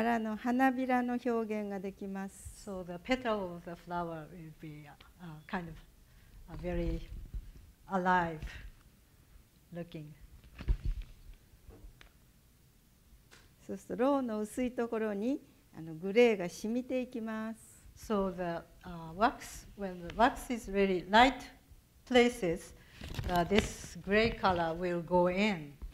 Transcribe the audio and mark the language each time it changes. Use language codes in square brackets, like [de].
[ja] これによって、バラの花びらの表現ができます。 [en] So the petal of the flower will be kind of a very alive looking. [ja] そうするとローの薄いところにグレーが染みていきます。 [en] So the wax, when the wax is really light places, this gray color will go in.